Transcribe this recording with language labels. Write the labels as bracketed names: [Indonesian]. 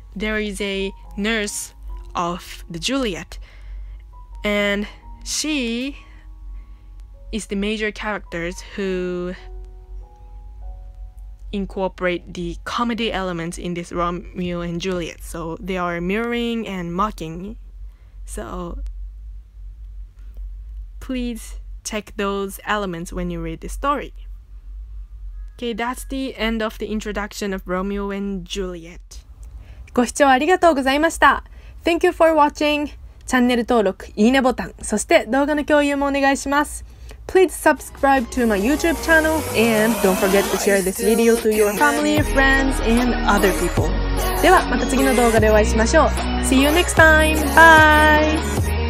[English] There is a nurse of the Juliet, and she is the major characters who incorporate the comedy elements in this Romeo and Juliet. So they are mirroring and mocking. So please check those elements when you read the story. Okay, that's the end of the introduction of Romeo and Juliet. [Japanese] ご視聴ありがとうございました。 [English] Thank you for watching. [Japanese] チャンネル登録、いいねボタン、そして動画の共有もお願いします。 [English] Please subscribe to my YouTube channel and don't forget to share this video to your family, friends, and other people. [Japanese] ではまた次の動画でお会いしましょう。 [English] See you next time. Bye!